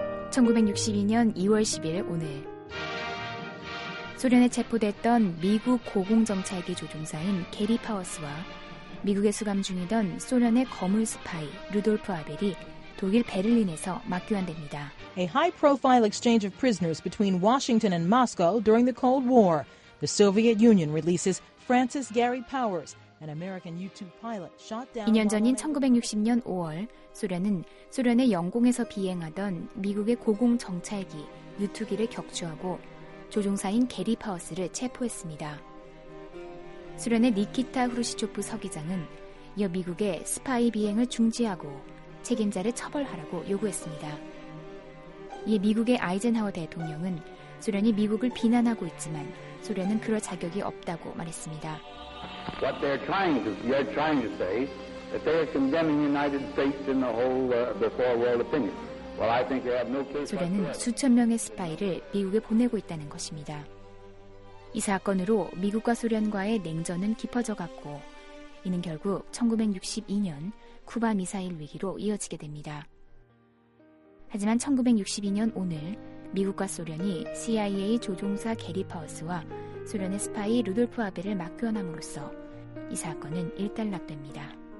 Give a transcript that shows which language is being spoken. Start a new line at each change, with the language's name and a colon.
Korean: 1962년 2월 10일 오늘 소련에 체포됐던 미국 고공정찰기 조종사인 게리 파워스와 미국에 수감 중이던 소련의 거물 스파이 루돌프 아벨이 독일 베를린에서 맞교환됩니다.
English: A high-profile exchange of prisoners between Washington and Moscow during the Cold War. The Soviet Union releases Francis Gary Powers, an American U-2 pilot shot down.
Korean: 2년 전인 1960년 5월, 소련은 소련의 영공에서 비행하던 미국의 고공 정찰기 U-2기를 격추하고 조종사인 게리 파워스를 체포했습니다. 소련의 니키타 후르시초프 서기장은 이어 미국의 스파이 비행을 중지하고 책임자를 처벌하라고 요구했습니다. 이에 미국의 아이젠하워 대통령은 소련이 미국을 비난하고 있지만 소련은 그럴 자격이 없다고 말했습니다.
English: What they're trying to say that they are condemning the United States in the whole before world opinion. Well, I think they have no case.
Korean: 소련은 수천 명의 스파이를 미국에 보내고 있다는 것입니다. 이 사건으로 미국과 소련과의 냉전은 깊어져갔고 이는 결국 1962년 쿠바 미사일 위기로 이어지게 됩니다. 하지만 1962년 오늘 미국과 소련이 CIA 조종사 게리 파워스와 소련의 스파이 루돌프 아벨을 맞교환함으로써 이 사건은 일단락됩니다.